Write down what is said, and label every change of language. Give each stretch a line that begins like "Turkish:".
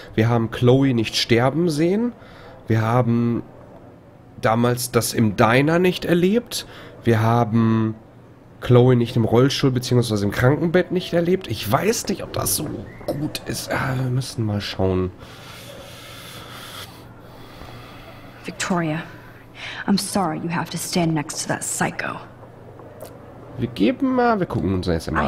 German: Wir haben Chloe nicht sterben sehen. Wir haben damals das im Diner nicht erlebt. Wir haben Chloe nicht im Rollstuhl bzw. im Krankenbett nicht erlebt. Ich weiß nicht, ob das so gut ist. Ah, wir müssen mal schauen.
English: Victoria, I'm sorry you have to stand next to that psycho.
German: Wir geben mal, wir gucken uns jetzt mal an.